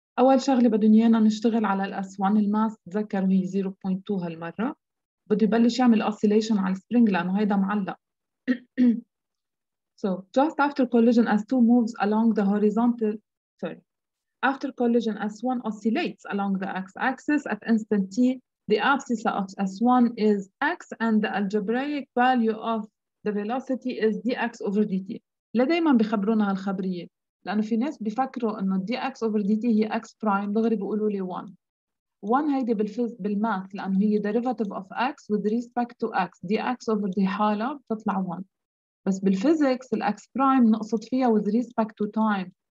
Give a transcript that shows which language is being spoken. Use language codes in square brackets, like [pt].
[ar] أول شغلة بدهم إيانا نشتغل على الأس 1 الماس، تذكر هي 0.2 هالمرة. بده يبلش يعمل أوسيليشن على السبرينج لأنه هيدا معلق. [en] So just after collision S2 moves along the horizontal, sorry, after collision S1 oscillates along the x-axis at instant t, the abscissa of S1 is x and the algebraic value of the velocity is dx over dt. [ar] لا دايما بخبرونا هالخبرية لأنه في ناس بيفكروا أنه dx over dt هي x prime، دغري بيقولوا لي 1. [en] 1 [ar] هيدي بالماث لأنه هي [en] derivative of x with respect to x. [ar] dx over dt حالة بتطلع 1. بس بالفيزيكس الـ x prime نقصد فيها [en] with respect to time.